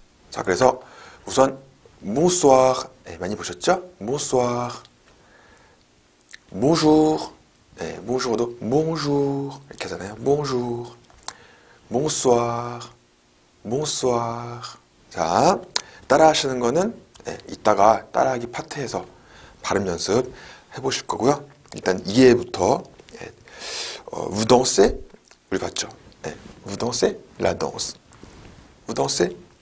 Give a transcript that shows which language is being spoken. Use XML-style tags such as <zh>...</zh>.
<ko>자, 그래서 우선 bonsoir. 예, 많이 보셨죠?</ko> <fr>Bonsoir. Bonjour.</fr> <ko>네, bonjour도 bonjour 이렇게 하잖아요.</ko> <fr>bonjour, bonsoir, bonsoir.</fr> <ko>자, 따라 하시는 거는 네, 이따가 따라 하기 파트에서 발음 연습 해보실 거고요. 일단 이해부터 네.</ko> <fr>vous dansez?</fr> <ko>우리 봤죠? 네.</ko> <fr>vous dansez? la danse. vous dansez?</fr>